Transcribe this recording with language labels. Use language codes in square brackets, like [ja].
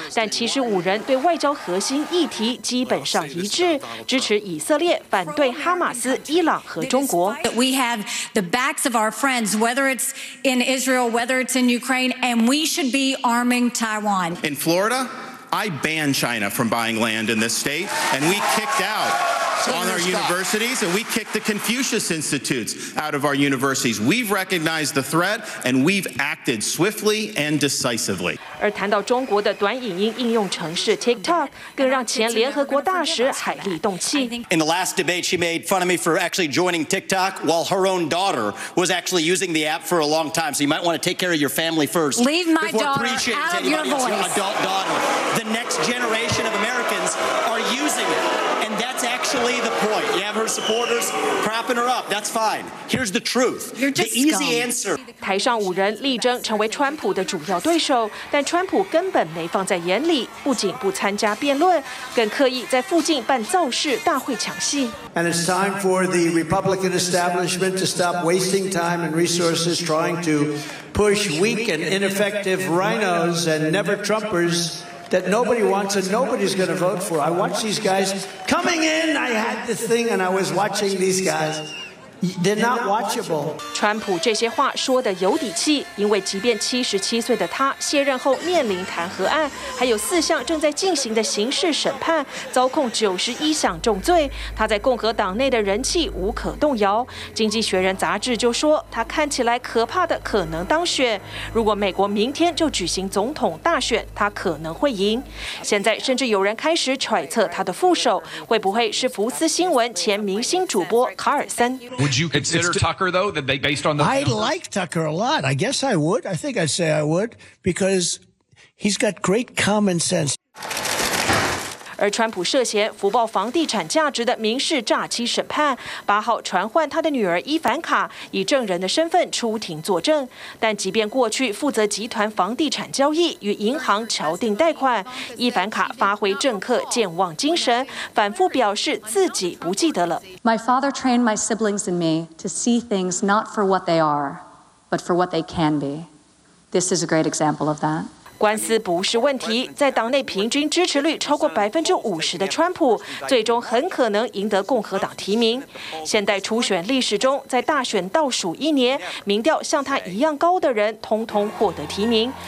[zh] 但其实五人对外交核心议题基本上一致，支持以色列，反对哈马斯、伊朗和中国。 [en] We have the backs of our friends, whether it's in Israel, whether it's in Ukraine, and we should be arming Taiwan. In Florida, I banned China from buying land in this state, and we kicked out on our universities, and we kicked the Confucius Institutes out of our universities. We've recognized the threat, and we've acted swiftly and decisively. [zh] 而谈到中国的短影音应用程式 TikTok， 更让前联合国大使海莉动气。 [en] In the last debate, she made fun of me for actually joining TikTok while her own daughter was actually using the app for a long time. So you might want to take care of your family first. Leave my daughter out of your voice. Your adult daughter. The next generation of Americans are using it. That's actually the point. You have her supporters propping her up. That's fine. Here's the truth. The easy answer. [zh] 台上五人力争成为川普的主要对手，但川普根本没放在眼里，不仅不参加辩论，更刻意在附近办造势大会抢戏。 [en] And it's time for the Republican establishment to stop wasting time and resources trying to push weak and ineffective rhinos and never Trumpers. That nobody wants and nobody's going to vote for. I watch these guys coming in. I had this thing and I was watching these guys. They're not watchable. [zh] 川普这些话说得有底气，因为即便77岁的他卸任后面临弹劾案，还有四项正在进行的刑事审判，遭控91项重罪，他在共和党内的人气无可动摇。经济学人杂志就说，他看起来可怕的可能当选。如果美国明天就举行总统大选，他可能会赢。现在甚至有人开始揣测他的副手会不会是福斯新闻前明星主播卡尔森。 [en] Would you consider Tucker, though, that they, based on the... I'd like Tucker a lot. I guess I would. I think I'd say I would, because he's got great common sense. [zh] 而川普涉嫌福报房地产价值的民事诈欺审判，八号传唤他的女儿伊凡卡以证人的身份出庭作证。但即便过去负责集团房地产交易与银行敲定贷款，伊凡卡发挥政客健忘精神，反复表示自己不记得了。 [en] My father trained my siblings and me to see things not for what they are, but for what they can be. This is a great example of that. [zh] 官司不是问题，在党内平均支持率超过50%的川普，最终很可能赢得共和党提名。现代初选历史中，在大选倒数一年，民调像他一样高的人，通通获得提名。